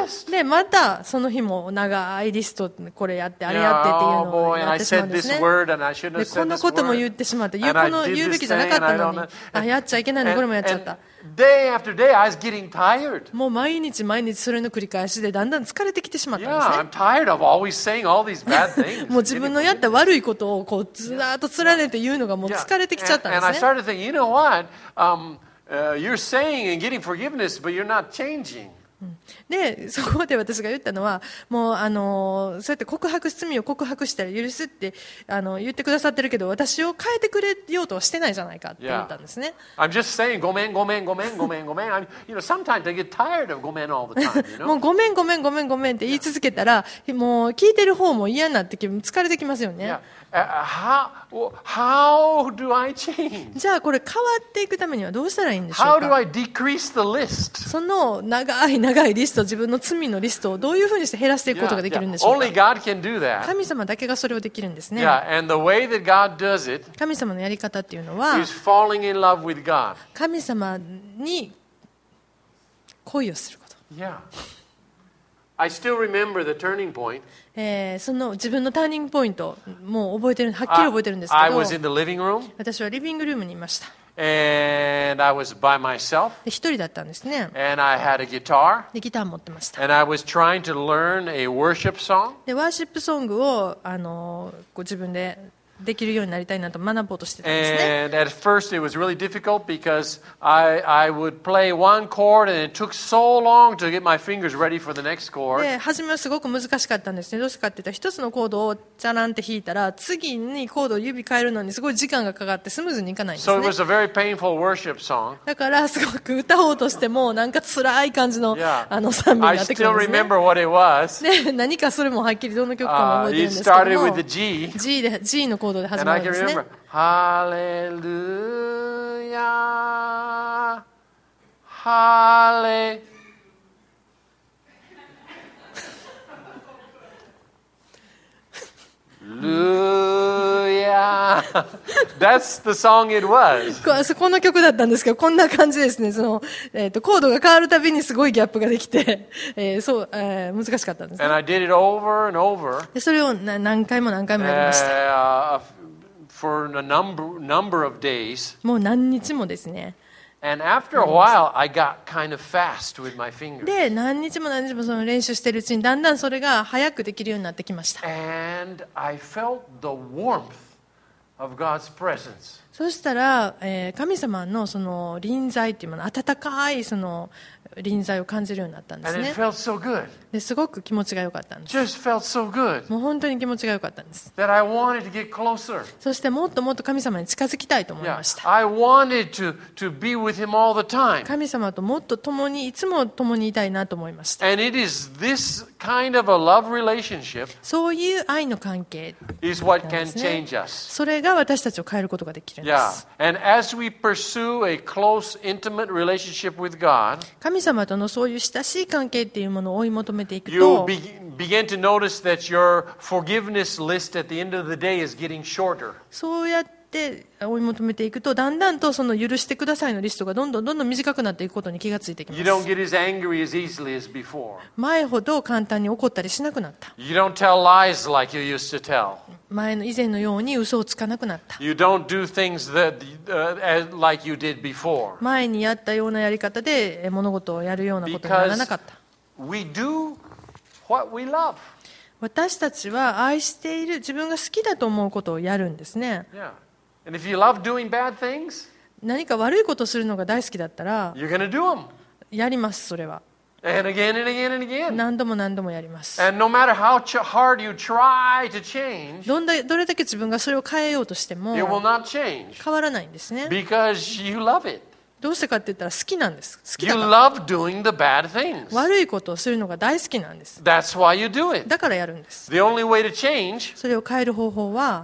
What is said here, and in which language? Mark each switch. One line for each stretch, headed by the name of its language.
Japanese: で、またその日も長いリスト、これやって、あれやってっていうのをやってしまうんですね。で、こんなことも言ってしまって、この言うべきじゃなかったのに、あ、やっちゃいけないの、これもやっちゃった。
English: Day after day, I was getting tired.
Japanese: もう毎日毎日それの繰り返しでだんだん疲れてきてしまったんですね。
English: Yeah, I'm tired of always saying all these bad things.
Japanese: もう自分のやった悪いことをこうずっと連ねて言うのがもう疲れてきちゃったんですね。
English: And I started thinking, you know what? You're saying and getting forgiveness, but you're not changing.
Japanese: で、そこで私が言ったのは、もうそうやって告白、罪を告白したら許すって言ってくださってるけど、私を変えてくれようとはしてないじゃないかって言ったんですね。
English: Yeah. I'm just saying,
Japanese: ごめんごめんごめんごめんごめん。
English: You know, sometimes I get tired of ごめん all the time.
Japanese: もうごめんごめんごめんごめんって言い続けたら、もう聞いてる方も嫌になってきて、疲れてきますよね。
English: How do I change?
Japanese: じゃあこれ変わっていくためにはどうしたらいいんでしょうか。
English: How do I decrease the list?
Japanese: その長い長いリスト、自分の罪のリストをどういうふうにして減らしていくことができるんでしょうか。
English: Only God can do that.
Japanese: 神様だけがそれをできるんですね。
English: Yeah, and the way that God does it,
Japanese: 神様のやり方っていうのは
English: is falling in love with God.
Japanese: 神様に恋をすること。
English: Yeah. I still remember the turning point.
Japanese: その自分のターニングポイントもう覚えてる、はっきり覚えてるんですけど、
English: I was in the living room.
Japanese: 私はリビングルームにいました。
English: And I was by myself.
Japanese: 一人だったんですね。
English: And I had a guitar.
Japanese: で、ギター持ってました。
English: And I was trying to learn a worship song.
Japanese: で、ワーシップソングをこう自分でできるようになりたいなと学ぼうとしてたんですね。
English: And at first it was really difficult because I would play one chord and it took so long to get my fingers ready for the next chord.
Japanese: で、初めはすごく難しかったんですね。どうしてかって言ったら、一つのコードをチャランって弾いたら、次にコードを指変えるのにすごい時間がかかってスムーズにいかないんですね。
English: So it was a very painful worship song.
Japanese: だからすごく歌おうとしてもなんか辛い感じの賛美になってくるんですね。
English: I still remember what it was.
Japanese: で、何かそれもはっきりどの曲かも覚えてるんですけども。
English: It started with the G.
Japanese: G で、G のコードで始まるんですね。ハレルヤーハレルヤー
English: That's the song it was.
Japanese: この曲だったんですけど、こんな感じですね。その、コードが変わるたびにすごいギャップができて、そう、難しかったんです、ね。
English: And I did it over and over.
Japanese: で、それを何回も何回もやりました。
English: For a number of days.
Japanese: もう何日もですね。
English: And after a while, I got kind of fast with my fingers.
Japanese: で、何日も何日もその練習してるうちに、だんだんそれが早くできるようになってきました。
English: And I felt the warmth of God's presence.
Japanese: そしたら、神様のその臨在っていうもの、温かいその臨在を感じるようになったんですね。
English: And it felt so good.
Japanese: で、すごく気持ちが良かったんです。
English: Just felt so good.
Japanese: もう本当に気持ちが良かったんです。
English: That I wanted to get closer.
Japanese: そしてもっともっと神様に近づきたいと思いました。
English: Yeah. I wanted to be with him all the time.
Japanese: 神様ともっと共に、いつも共にいたいなと思いました。
English: And it is this kind of a love relationship.
Japanese: そういう愛の関係、ね。
English: Is what can change us.
Japanese: それが私たちを変えることができるんです。
English: Yeah. And as we pursue a close, intimate relationship with God.
Japanese: 神様とのそういう親しい関係っていうものを追い求めていくと、
English: you begin to notice that your forgiveness list at the end of the day is getting shorter.
Japanese: そうやって追い求めていくと、だんだんとその許してくださいのリストがどんどんどんどん短くなっていくことに気がついてきます。
English: You don't get as angry as easily as before.
Japanese: 前ほど簡単に怒ったりしなくなった。
English: You don't tell lies like you used to tell.
Japanese: 前の以前のように嘘をつかなくなった。
English: You don't do things that, like you did before.
Japanese: 前にやったようなやり方で物事をやるようなことにならなかった。
English: Because we do what we love.
Japanese: 私たちは愛している自分が好きだと思うことをやるんですね。
English: Yeah. And if you love doing bad things,
Japanese: 何か悪いことをするのが大好きだったら、
English: you're gonna do them.
Japanese: やります、それは。
English: And again and again and again.
Japanese: 何度も何度もやります。
English: And no matter how hard you try to change,
Japanese: どれだけ自分がそれを変えようとしても、
English: it will not change.
Japanese: 変わらないんですね。
English: Because you love it.
Japanese: どうしてかって言ったら好きなんです。好きだ
English: から。You love doing the bad things.
Japanese: 悪いことをするのが大好きなんです。
English: That's why you do it.
Japanese: だからやるんです。
English: The only way to change,
Japanese: それを変える方法は、